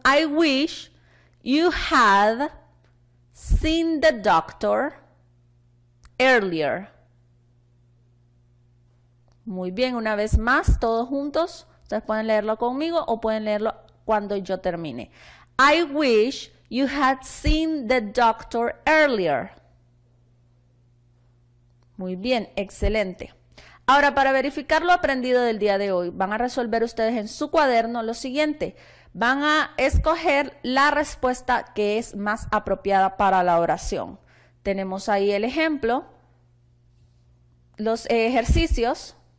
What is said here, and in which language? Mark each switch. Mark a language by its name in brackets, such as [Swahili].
[English] I wish you had seen the doctor earlier. [Spanish] Muy bien, una vez más, todos juntos. Ustedes pueden leerlo conmigo o pueden leerlo cuando yo termine. [English] I wish you had seen the doctor earlier. [Spanish] Muy bien, excelente. Ahora, para verificar lo aprendido del día de hoy, van a resolver ustedes en su cuaderno lo siguiente. Van a escoger la respuesta que es más apropiada para la oración. Tenemos ahí el ejemplo, los ejercicios.